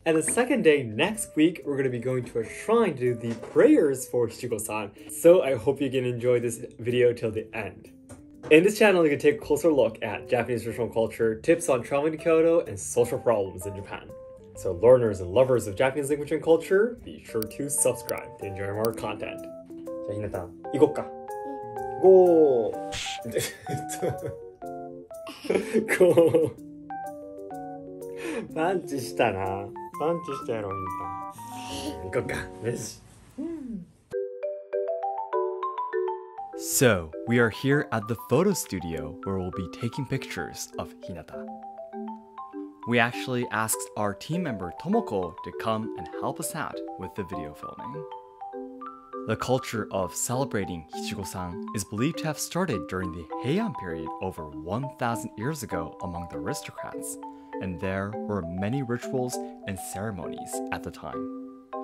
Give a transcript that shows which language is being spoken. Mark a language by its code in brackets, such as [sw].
[en] And the second day, next week, we're going to be going to a shrine to do the prayers for Shichigo-san. So I hope you can enjoy this video till the end. In this channel, you can take a closer look at Japanese traditional culture, tips on traveling to Kyoto, and social problems in Japan. So learners and lovers of Japanese language and culture, be sure to subscribe to enjoy more content. [ja] じゃあ、ひなた、行こっか。ゴー。ゴー。パンチしたな。パンチしたやろ、ひなた。行こっか。よし。 [en] So, we are here at the photo studio where we'll be taking pictures of Hinata. We actually asked our team member Tomoko to come and help us out with the video filming. The culture of celebrating Hichigo-san is believed to have started during the Heian period over 1,000 years ago among the aristocrats, and there were many rituals and ceremonies at the time.